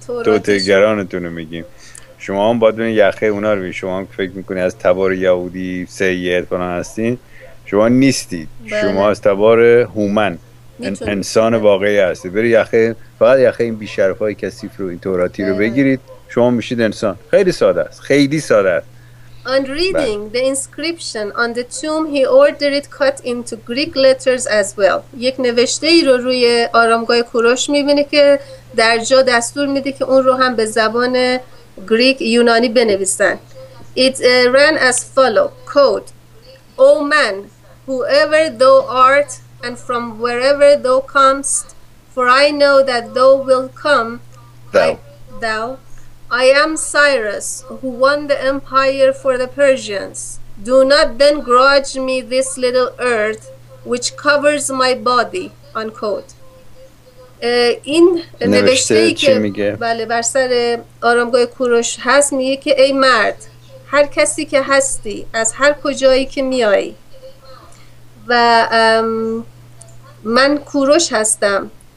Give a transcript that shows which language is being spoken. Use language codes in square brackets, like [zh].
[fa] توتگرانتونو میگیم. شما هم باید بین یخه اونا رو بید. شما هم فکر میکنی از تبار یهودی سید فلان هستین. شما نیستید. بله. شما از تبار هومن. انسان واقعی هستید. برید یخه فقط یخه این بیشرف های کثیف رو این توراتی رو بگیرید. شما میشید انسان. خیلی ساده است. خیلی ساده است. [en] On reading the inscription on the tomb, he ordered it cut into Greek letters as well. [fa] یک نوشته ای رو روی آرامگاه کوروش میبینه که در جا دستور میده که اون رو هم به زبان گریک یونانی بنویسن. [en] It ran as follow, quote, O man, whoever thou art and from wherever thou comest, for I know that thou will come, thou. I am Cyrus, who won the empire for the Persians. Do not then grudge me this little earth, which covers my body. Unquote. [fa] این نوشته ای که بله بر سر آرامگاه کوروش هست میگه که ای مرد، هر کسی که هستی، از هر کجایی که میای، و من کوروش هستم.